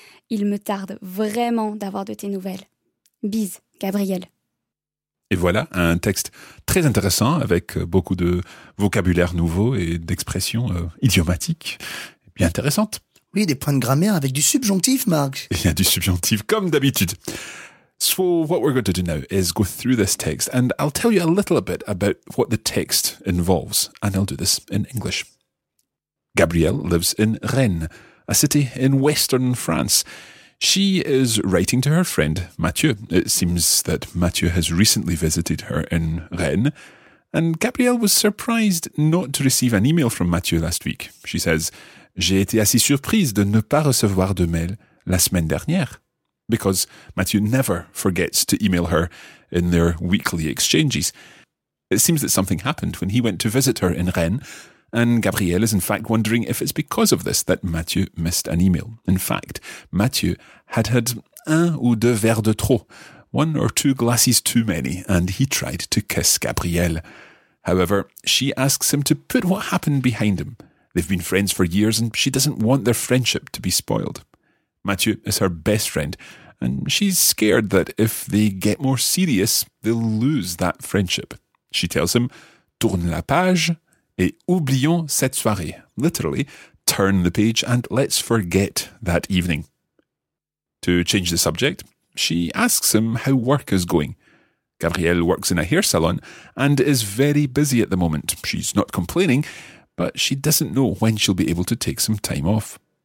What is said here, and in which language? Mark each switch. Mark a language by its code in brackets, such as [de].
[fr] Il me tarde vraiment d'avoir de tes nouvelles. Bise, Gabriel. Et voilà, un texte très intéressant avec beaucoup de vocabulaire nouveau et d'expressions idiomatiques bien intéressantes. Oui, des points de grammaire avec du subjonctif, Marc. Il y a du subjonctif, comme d'habitude. [en] So what we're going to do now is go through this text and I'll tell you a little bit about what the text involves and I'll do this in English. Gabrielle lives in Rennes, a city in western France. She is writing to her friend Mathieu. It seems that Mathieu has recently visited her in Rennes and Gabrielle was surprised not to receive an email from Mathieu last week. She says, [fr] j'ai été assez surprise de ne pas recevoir de mail la semaine dernière. [en] Because Mathieu never forgets to email her in their weekly exchanges. It seems that something happened when he went to visit her in Rennes, and Gabrielle is in fact wondering if it's because of this that Mathieu missed an email. In fact, Mathieu had [fr] un ou deux verres de trop, [en] one or two glasses too many, and he tried to kiss Gabrielle. However, she asks him to put what happened behind him. They've been friends for years and she doesn't want their friendship to be spoiled. Mathieu is her best friend, and she's scared that if they get more serious, they'll lose that friendship. She tells him, [fr] tourne la page et oublions cette soirée. [en] Literally, turn the page and let's forget that evening. To change the subject, she asks him how work is going. Gabrielle works in a hair salon and is very busy at the moment. She's not complaining, but she doesn't know when she'll be able to take some time off.